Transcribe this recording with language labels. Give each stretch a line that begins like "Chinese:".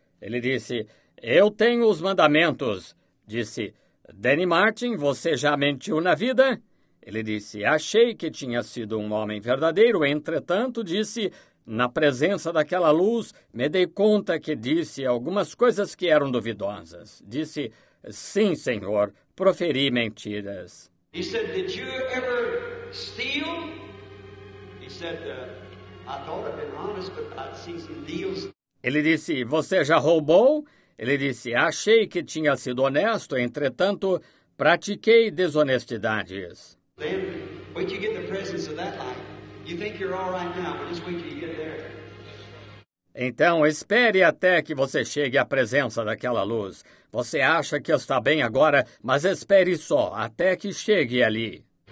Portuguese: Ele disse, eu tenho os mandamentos. Disse, Danny Martin, você já mentiu na vida? Ele disse, achei que tinha sido um homem verdadeiro, entretanto, disse, na presença daquela luz, me dei conta que disse algumas coisas que eram duvidosas. Disse, sim, senhor, proferi mentiras.
English: He said, did you ever steal? He said, I thought I'd been honest, but I'd seen some deals.
Portuguese: Ele disse, você já roubou? Ele disse, achei que tinha sido honesto, entretanto, pratiquei desonestidades.
English: Then, wait till you get in the presence of that light. You think you're all right now, but just wait till you get there.
Portuguese: Então, espere até que você chegue à presença daquela luz. Você acha que está bem agora, mas espere só até que chegue ali.